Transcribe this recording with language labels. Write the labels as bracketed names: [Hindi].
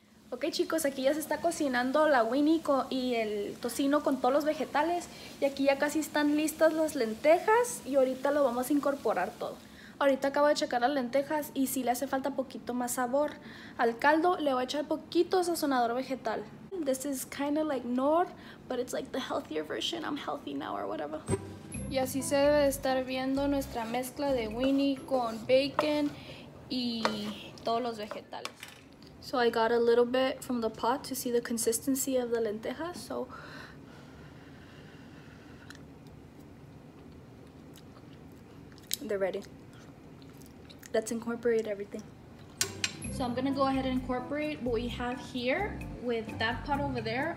[Spanish] Ok chicos, aquí ya se está cocinando la weenie y el tocino con todos los vegetales. Y aquí ya casi están listas las lentejas y ahorita lo vamos a incorporar todo. Ahorita acabo de checar las lentejas y si le hace falta poquito más sabor al caldo, le voy a echar poquito sazonador vegetal. [English] This is kind of like Knorr, but it's like the healthier version. I'm healthy now or whatever. [Spanish] Y así se debe de estar viendo nuestra mezcla de weenie con bacon y todos los vegetales. [English] So I got a little bit from the pot to see the consistency of the lentejas. So they're ready. Let's incorporate everything. So I'm gonna go ahead and incorporate what we have here with that pot over there.